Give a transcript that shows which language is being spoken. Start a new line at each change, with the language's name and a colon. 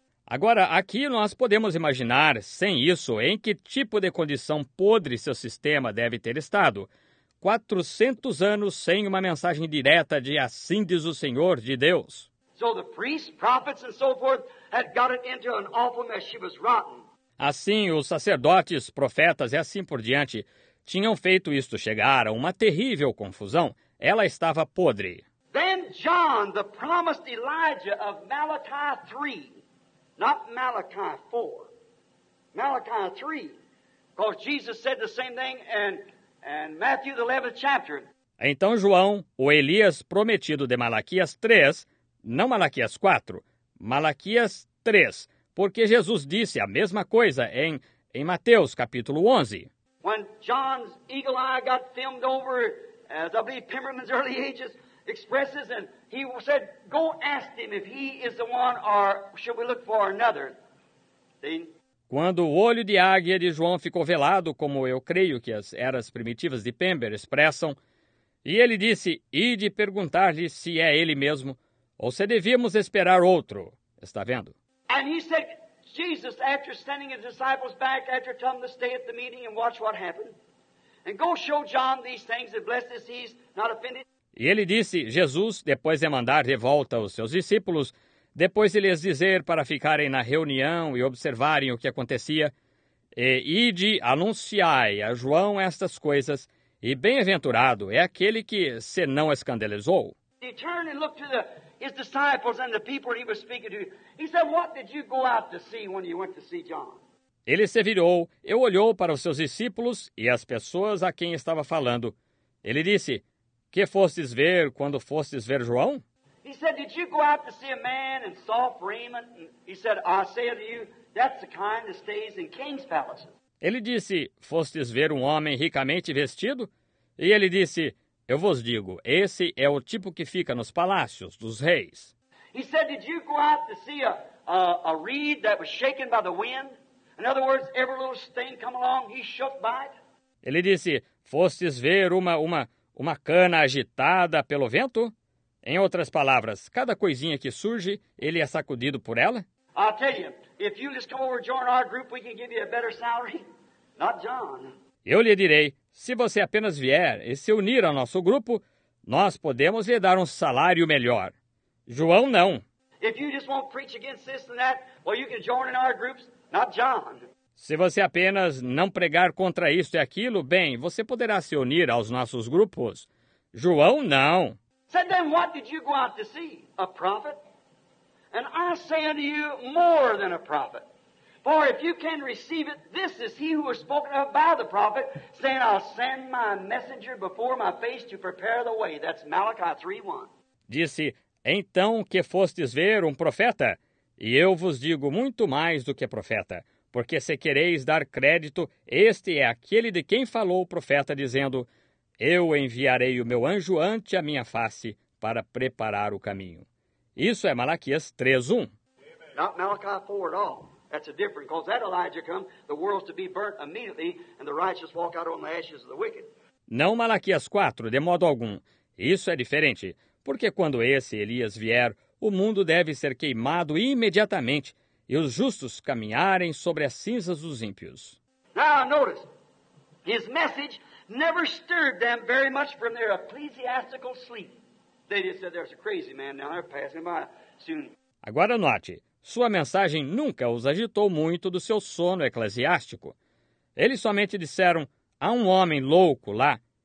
Portuguese: Agora, aqui nós podemos imaginar, sem isso, em que tipo de condição podre seu sistema deve ter estado. 400 anos sem uma mensagem direta de assim diz o Senhor de Deus.
English: So the priests, prophets and so forth had got it into an awful mess. She was rotten.
Portuguese: Assim, os sacerdotes, profetas e assim por diante tinham feito isto chegar a uma terrível confusão. Ela estava podre.
English: Then John, the promised Elijah of Malachi 3, not Malachi 4, Malachi 3, because Jesus said the same thing in Matthew, the 11th chapter.
Portuguese: Então João, o Elias prometido de Malaquias 3, não Malaquias 4, Malaquias 3, porque Jesus disse a mesma coisa em Mateus, capítulo 11.
English: When John's eagle eye got filmed over, as I believe Pimmerman's early ages expresses, and he said, go ask him if he is the one or should we look for another. See?
Portuguese: Quando o olho de águia de João ficou velado, como eu creio que as eras primitivas de Pember expressam, e ele disse, ide perguntar-lhe se é ele mesmo, ou se devíamos esperar outro. Está vendo?
English: And he said, Jesus, after sending his disciples back, after telling them to stay at the meeting and watch what happened, and go show John these things, and blessed is he, not offended.
Portuguese: E ele disse, Jesus, depois de mandar de volta os seus discípulos, depois de lhes dizer para ficarem na reunião e observarem o que acontecia, e ide, anunciai a João estas coisas, e bem-aventurado é aquele que se não escandalizou.
English: He turned and looked to the his disciples and the people he was speaking to. He said, what did you go out to see when you went to see John?
Portuguese: Ele se virou, eu olhou para os seus discípulos e as pessoas a quem estava falando. Ele disse, que fostes ver quando fostes ver João?
English: He said, did you go out to see a man in soft raiment? He said, I say to you, that's the kind that stays in king's palaces.
Portuguese: Ele disse, fostes ver um homem ricamente vestido? E ele disse, eu vos digo, esse é o tipo que fica nos palácios dos reis.
English: He said, did you go out to see a reed that was shaken by the wind? In other words, every little stain come along, he shook by it.
Portuguese: Ele disse, fostes ver uma cana agitada pelo vento? Em outras palavras, cada coisinha que surge, ele é sacudido por ela?
English: I'll tell you, if you just come over and join our group, we can give you a better salary. Not John.
Portuguese: Eu lhe direi, se você apenas vier e se unir ao nosso grupo, nós podemos lhe dar um salário melhor. João, não.
English: If you just won't preach against this and that, well, you can join in our groups. Not John.
Portuguese: Se você apenas não pregar contra isto e aquilo, bem, você poderá se unir aos nossos grupos. João, não.
English: Said, then what did you go out to see? A prophet? And I say unto you, more than a prophet. For if you can receive it, this is he who was spoken of by the prophet, saying, I'll send my messenger before my face to prepare the way. That's Malachi 3:1.
Portuguese: Disse, então que fostes ver um profeta? E eu vos digo muito mais do que profeta, porque se quereis dar crédito, este é aquele de quem falou o profeta, dizendo, eu enviarei o meu anjo ante a minha face para preparar o caminho. Isso é Malaquias 3:1.
English: Not Malachi 4 at all. That's a different, because that Elijah come, the world's to be burnt immediately, and the righteous walk out on the ashes of the wicked.
Portuguese: Não Malaquias 4, de modo algum. Isso é diferente, porque quando esse Elias vier, o mundo deve ser queimado imediatamente, e os justos caminharem sobre as cinzas dos ímpios.
English: Now, notice, his message never stirred them very much from their ecclesiastical sleep. They just said, there's a crazy man down there passing by soon.
Portuguese: Agora note, sua mensagem nunca os agitou muito do seu sono eclesiástico. Eles somente disseram, há um homem louco lá.